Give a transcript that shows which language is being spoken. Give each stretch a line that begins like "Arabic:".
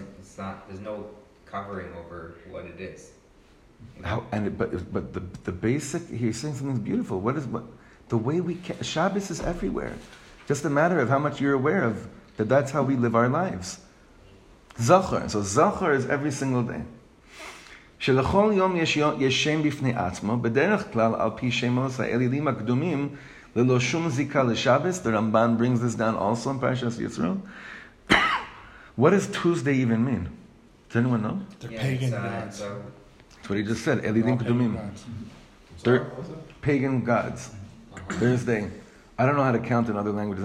English: It's not, there's no covering over what it is. How, and it, but the basic, he's saying something beautiful. What is, what, the way we, Shabbos is everywhere. Just a matter of how much you're aware of, that that's how we live our lives. Zachar, so Zachar is every single day.
Hebrew: שלכל יום יש שם בפני עצמו, בדרך כלל על פי שמות האלילים הקדומים, ללא שום זיקה לשבת.
English: The Ramban brings this down also in Parashas Yisrael. What does Tuesday even mean? Does anyone know? They're pagan gods. That's what he just said, Elilim Kedumim. They're pagan gods. Thursday. I don't know how to count in other languages.